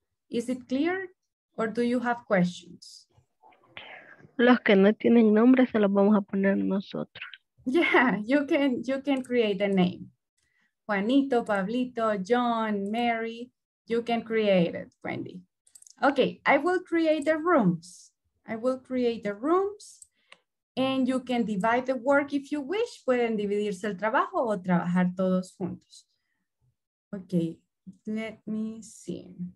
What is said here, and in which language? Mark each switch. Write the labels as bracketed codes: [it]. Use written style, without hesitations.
[en] Is it clear or do you have questions? [es] Los que no tienen nombre se los vamos a poner nosotros. [en] Yeah, you can create a name. Juanito, Pablito, John, Mary, you can create it, Wendy. Okay, I will create the rooms. I will create the rooms and you can divide the work if you wish. [es] Pueden dividirse el trabajo o trabajar todos juntos. [en] Okay, let me see.